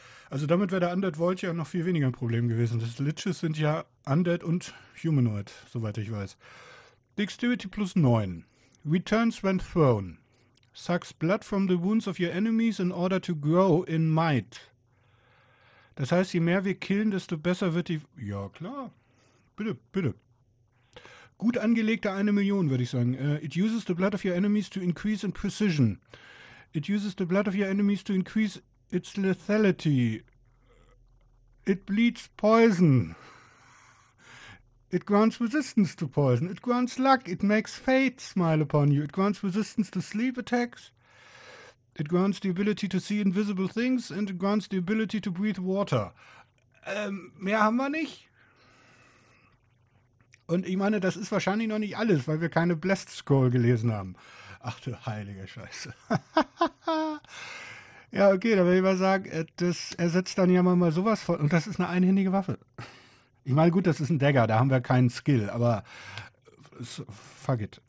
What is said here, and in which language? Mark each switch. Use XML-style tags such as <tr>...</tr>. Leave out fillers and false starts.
<de>Also damit wäre der Undead Vault ja noch viel weniger ein Problem gewesen. Das Liches sind ja Undead und Humanoid, soweit ich weiß.</de> <en>Dexterity plus 9. Returns when thrown. Sucks blood from the wounds of your enemies in order to grow in might.</en> <de>Das heißt, je mehr wir killen, desto besser wird die. Ja, klar. Bitte, bitte. Gut angelegte 1 Million, würde ich sagen.</de> <en>It uses the blood of your enemies to increase in precision. It uses the blood of your enemies to increase its lethality. It bleeds poison. It grants resistance to poison. It grants luck. It makes fate smile upon you. It grants resistance to sleep attacks. It grants the ability to see invisible things. And it grants the ability to breathe water.</en> <de>Mehr haben wir nicht. Und ich meine, das ist wahrscheinlich noch nicht alles, weil wir keine Blessed Scroll gelesen haben. Ach du heilige Scheiße. Ja, okay, da würde ich mal sagen, das ersetzt dann ja mal sowas von. Und das ist eine einhändige Waffe. Ich meine, gut, das ist ein Dagger, da haben wir keinen Skill, aber</de> <en>fuck it.</en>